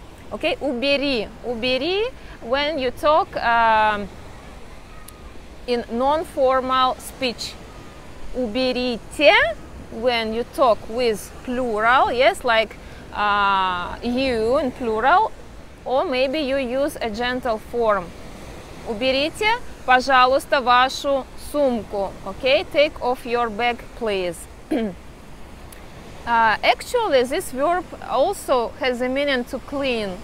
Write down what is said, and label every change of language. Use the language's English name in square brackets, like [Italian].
[English] Okay, убери, when you talk in non-formal speech. Уберите, when you talk with plural, yes, like you in plural, or maybe you use a gentle form. [Russian] Уберите, пожалуйста, вашу сумку. [English] Okay, take off your bag, please. Actually, this verb also has the meaning to clean.